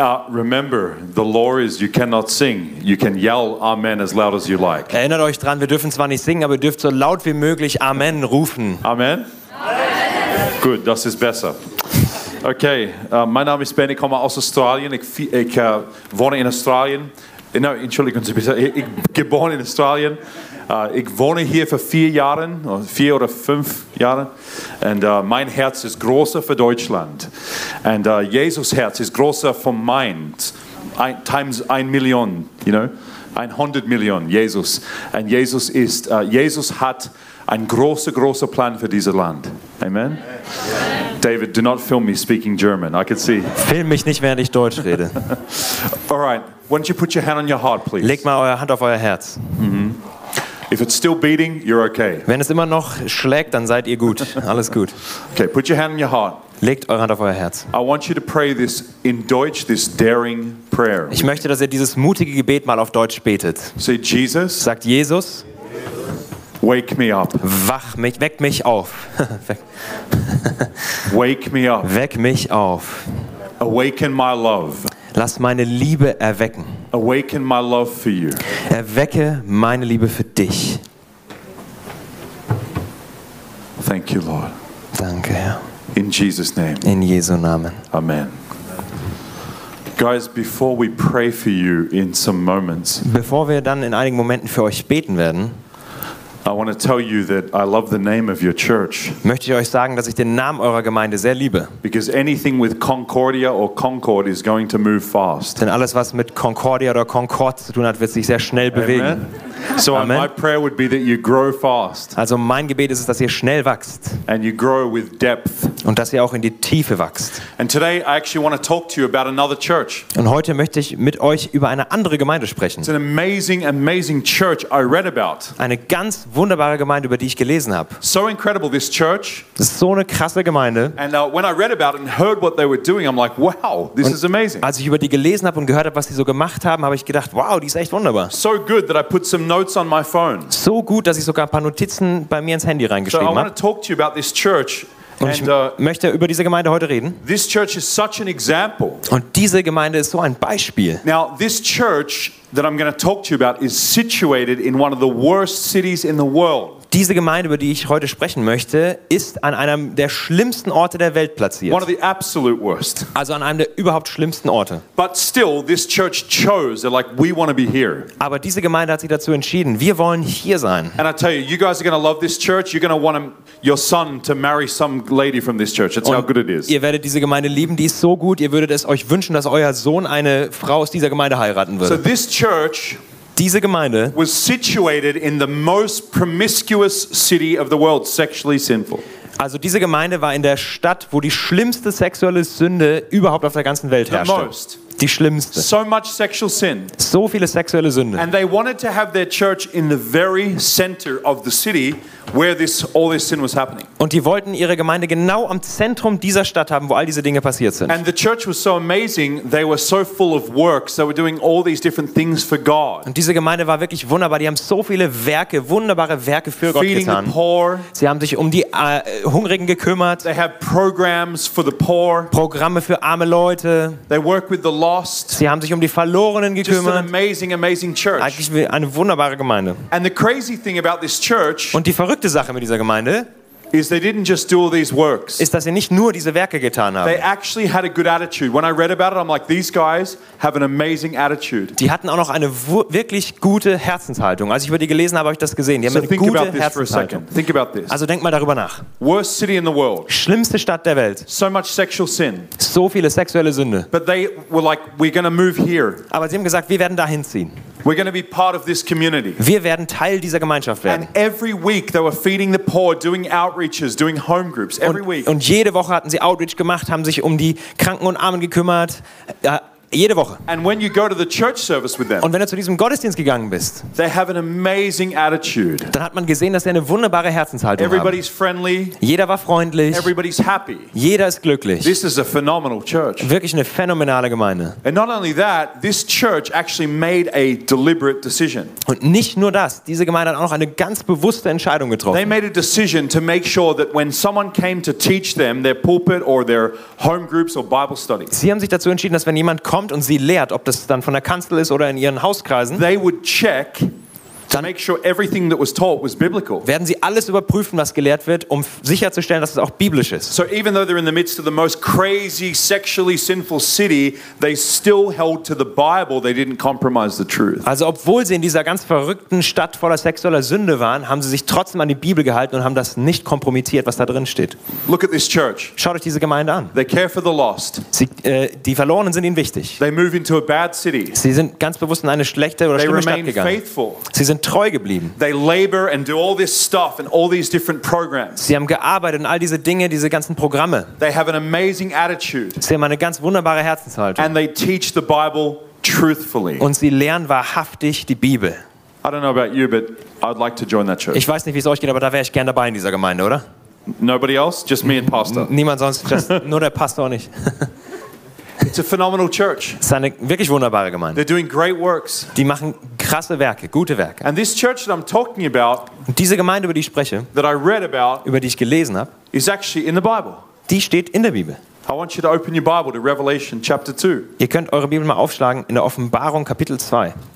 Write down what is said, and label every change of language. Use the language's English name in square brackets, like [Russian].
[English] Remember, the law is you cannot sing. You can yell Amen as loud as you like. [German] Erinnert euch dran, wir dürfen zwar nicht singen, aber ihr dürft so laut wie möglich Amen rufen. Amen? Amen. Gut, das ist besser. Okay, mein Name ist Ben, ich komme aus Australien. Ich wohne in Australien. Entschuldigen Sie bitte, ich geboren in Australien. Ich wohne hier für 4 oder 5 Jahre. Und mein Herz ist größer für Deutschland. Und Jesus' Herz ist größer für mein. [English] Times 1 Million, you know. [German] 100 Millionen, Jesus. Und Jesus ist, Jesus hat ein großer Plan für dieses Land. [English] Amen? Amen. David, do not film me speaking German. I can see. [German] Film mich nicht, während ich Deutsch rede. [English] All right. Why don't you put your hand on your heart, please? [German] Leg mal eure Hand auf euer Herz. Mm-hmm. [English] If it's still beating, you're okay. [German] Wenn es immer noch schlägt, dann seid ihr gut. Alles gut. [English] Okay, put your hand on your heart. [German] Legt eure Hand auf euer Herz. [English] I want you to pray this in Deutsch, this daring prayer. [German] Ich möchte, dass ihr dieses mutige Gebet mal auf Deutsch betet. [English] Say Jesus. [German] Sagt Jesus. [English] Wake me up. [German] Wach mich, weck mich auf. [English] Wake me up. [German] Weck mich auf. [English] Awaken my love. [German] Lass meine Liebe erwecken. [English] Awaken my love for you. [German] Erwecke meine Liebe für dich. [English] Thank you, Lord. [German] Danke, Herr. [English] In Jesus' name. [German] In Jesu Namen. Amen. [English] Guys, before we pray for you in some moments. [German] Bevor wir dann in einigen Momenten für euch beten werden. [English] I want to tell you that I love the name of your church. [German] Möchte ich euch sagen, dass ich den Namen eurer Gemeinde sehr liebe. [English] Because anything with Concordia or Concord is going to move fast. [German] Denn alles was mit Concordia oder Concord zu tun hat, wird sich sehr schnell bewegen. [English] So my prayer would be that you grow fast. [German] Also mein Gebet ist es, dass ihr schnell wächst. [English] And you grow with depth. [German] Und dass ihr auch in die Tiefe wächst. [English] And today I actually want to talk to you about another church. [German] Und heute möchte ich mit euch über eine andere Gemeinde sprechen. [English] It's an amazing, amazing church I read about. [German] Eine ganz wunderbare Gemeinde, über die ich gelesen habe. [English] So incredible this church. [German] Das ist so eine krasse Gemeinde. [English] And when I read about it and heard what they were doing, I'm like, wow, this [German] und [English] is amazing. [German] Als ich über die gelesen habe und gehört habe, was sie so gemacht haben, habe ich gedacht, wow, die ist echt wunderbar. [English] So good that I put some notes on my phone. [German] So gut, dass ich sogar ein paar Notizen bei mir ins Handy reingeschrieben habe. [English] So I want to talk to you about this church. [German] Und ich möchte über diese Gemeinde heute reden. [English] This church is such an example. [German] Und diese Gemeinde ist so ein Beispiel. [English] Now this church that I'm going to talk to you about is situated in one of the worst cities in the world. [German] Diese Gemeinde, über die ich heute sprechen möchte, ist an einem der schlimmsten Orte der Welt platziert. [English] One of the absolute worst. [German] Also an einem der überhaupt schlimmsten Orte. [English] But still, this church chose, like, we want to be here. [German] Aber diese Gemeinde hat sich dazu entschieden, wir wollen hier sein. [English] And I tell you, you guys are going to love this church. You're going to want your son to marry some lady from this church. That's how good it is. [German] Ihr werdet diese Gemeinde lieben, die ist so gut, ihr würdet es euch wünschen, dass euer Sohn eine Frau aus dieser Gemeinde heiraten würde. [English] So this church, [German] diese Gemeinde [English] was situated in the most promiscuous city of the world, sexually sinful. [German] Also diese Gemeinde war in der Stadt, wo die schlimmste sexuelle Sünde überhaupt auf der ganzen Welt herrschte. [English] The most. [German] Die schlimmste. [English] So much sexual sin. [German] So viele sexuelle Sünde. [English] And they wanted to have their church in the very center of the city where all this sin was happening. [German] Und die wollten ihre Gemeinde genau am Zentrum dieser Stadt haben, wo all diese Dinge passiert sind. [English] And the church was so amazing, they were so full of works, they were doing all these different things for God. [German] Und diese Gemeinde war wirklich wunderbar, die haben so viele Werke, wunderbare Werke für Gott getan. [English] Feeding the poor. [German] Sie haben sich um die Hungrigen gekümmert. [English] They have programs for the poor. [German] Programme für arme Leute. [English] They work with the lost. [German] Sie haben sich um die Verlorenen gekümmert. [English] Just an amazing, amazing church. [German] Eigentlich eine wunderbare Gemeinde. [English] And the crazy thing about this church. [German] Und die verrückte Sache mit dieser Gemeinde [English] is they didn't just do all these works. [German] Ist, dass sie nicht nur diese Werke getan haben. [English] They actually had a good attitude. When I read about it, I'm like, these guys have an amazing attitude. [German] Die hatten auch noch eine wirklich gute Herzenshaltung. Als ich über die gelesen habe, habe ich das gesehen. Die haben eine gute Herzenshaltung. [English] Think about this. [German] Also denk mal darüber nach. [English] Worst city in the world. [German] Schlimmste Stadt der Welt. [English] So much sexual sin. [German] So viele sexuelle Sünde. [English] But they were like, we're going to move here. [German] Aber sie haben gesagt, wir werden dahin ziehen. [English] We're going to be part of this community. [German] Wir werden Teil dieser Gemeinschaft werden. [English] And every week they were feeding the poor, doing outreaches, doing home groups every week. [German] Und jede Woche hatten sie Outreach gemacht, haben sich um die Kranken und Armen gekümmert, Jede Woche. [English] And when you go to the church service with them, [German] und wenn du zu diesem Gottesdienst gegangen bist, [English] they have an amazing attitude. [German] Dann hat man gesehen, dass sie eine wunderbare Herzenshaltung [English] Everybody's [German] haben. [English] Friendly. [German] Jeder war freundlich. [English] Everybody's happy. [German] Jeder ist glücklich. [English] This is a phenomenal church. [German] Wirklich eine phänomenale Gemeinde. [English] And not only that, this church actually made a deliberate decision. [German] Und nicht nur das, diese Gemeinde hat auch noch eine ganz bewusste Entscheidung getroffen. [English] They made a decision to make sure that when someone came to teach them, their pulpit or their home groups or Bible study. [German] Sie haben sich dazu entschieden, dass wenn jemand kommt und sie lehrt, ob das dann von der Kanzel ist oder in ihren Hauskreisen, [English] they would check to make sure everything that was taught was biblical. [German] Werden sie alles überprüfen, was gelehrt wird, um sicherzustellen, dass es auch biblisch ist. [English] So even though they're in the midst of the most crazy, sexually sinful city, they still held to the Bible. They didn't compromise the truth. [German] Also obwohl sie in dieser ganz verrückten Stadt voller sexueller Sünde waren, haben sie sich trotzdem an die Bibel gehalten und haben das nicht kompromittiert, was da drin steht. [English] Look at this church. [German] Schaut euch diese Gemeinde an. [English] They care for the lost. [German] Sie, die Verlorenen sind ihnen wichtig. [English] They move into a bad city. [German] Sie sind ganz bewusst in eine schlechte oder schlimme Stadt gegangen. [English] They remain faithful. [German] Sie sind treu geblieben. [English] They labor and do all this stuff and all these different programs. [German] Sie haben gearbeitet und all diese Dinge, diese ganzen Programme. [English] They have an amazing attitude. [German] Sie haben eine ganz wunderbare Herzenshaltung. [English] And they teach the Bible truthfully. [German] Und sie lernen wahrhaftig die Bibel. [English] I don't know about you, but I'd like to join that church. [German] Ich weiß nicht, wie es euch geht, aber da wäre ich gerne dabei in dieser Gemeinde, oder? [English] Nobody else, just me and Pastor. [German] Niemand sonst, just nur der Pastor und ich. [English] It's a phenomenal church. [German] Es ist eine wirklich wunderbare Gemeinde. [English] They're doing great works. [German] Die machen krasse Werke, gute Werke. [English] And this church that I'm talking about, [German] und diese Gemeinde, über die ich spreche, [English] that I read about, [German] über die ich gelesen habe, [English] is actually in the Bible. [German] Die steht in der Bibel. [English] I want you to open your Bible to Revelation chapter 2. [German] Ihr könnt eure Bibel mal aufschlagen in der Offenbarung Kapitel 2.